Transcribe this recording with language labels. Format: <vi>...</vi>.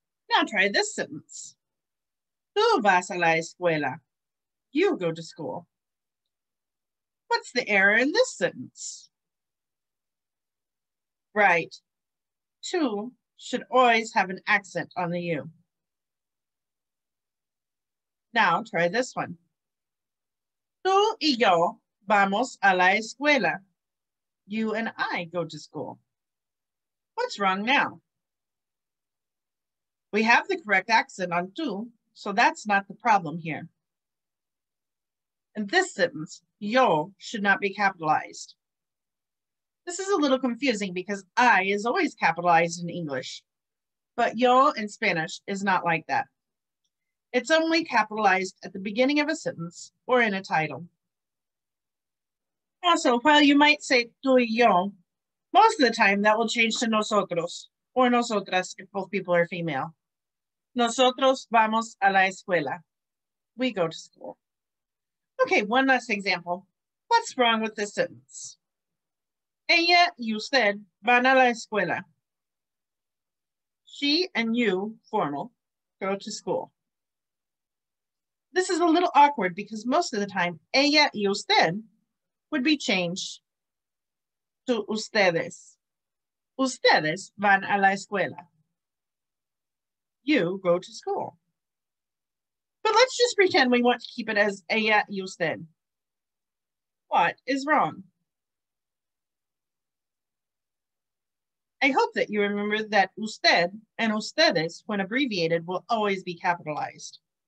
<en>Now try this sentence. Tú vas a la escuela. You go to school. What's the error in this sentence? Right. Tú should always have an accent on the U. Now try this one.</en> <es>Tú y yo vamos a la escuela.</es> <en>You and I go to school. What's wrong now? We have the correct accent on tú, so that's not the problem here. In this sentence, yo should not be capitalized. This is a little confusing because I is always capitalized in English, but yo in Spanish is not like that. It's only capitalized at the beginning of a sentence or in a title. Also, while you might say tú y yo, most of the time that will change to nosotros or nosotras if both people are female.</en> <es>Nosotros vamos a la escuela.</es> <en>We go to school. Okay, one last example. What's wrong with this sentence?</en> <es>Ella y usted van a la escuela.</es> <en>She and you, formal, go to school. This is a little awkward because most of the time, ella y usted would be changed to ustedes.</en> <es>Ustedes van a la escuela.</es> <en>You go to school. But let's just pretend we want to keep it as ella y usted. What is wrong? I hope that you remember that usted and ustedes, when abbreviated, will always be capitalized.</en>